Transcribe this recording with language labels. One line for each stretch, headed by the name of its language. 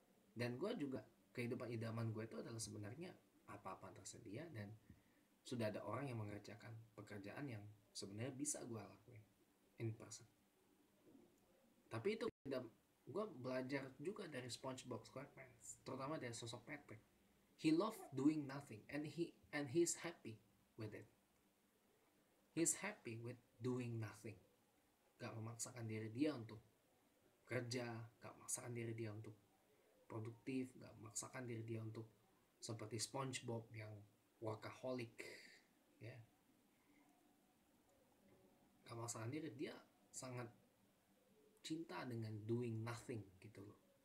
Indonesian: Dan gue juga, kehidupan idaman gue itu adalah sebenarnya apa-apa tersedia dan sudah ada orang yang mengerjakan pekerjaan yang sebenarnya bisa gue lakuin
English: in person.
Indonesian: Tapi itu gue belajar juga dari SpongeBob SquarePants, terutama dari sosok Patrick.
English: He love doing nothing and he's happy with it. He's happy with doing nothing.
Indonesian: Gak memaksakan diri dia untuk kerja, gak memaksakan diri dia untuk produktif, nggak memaksakan diri dia untuk seperti SpongeBob yang workaholic, ya. Nggak memaksakan diri, dia sangat cinta dengan
English: doing nothing
Indonesian: gitu loh.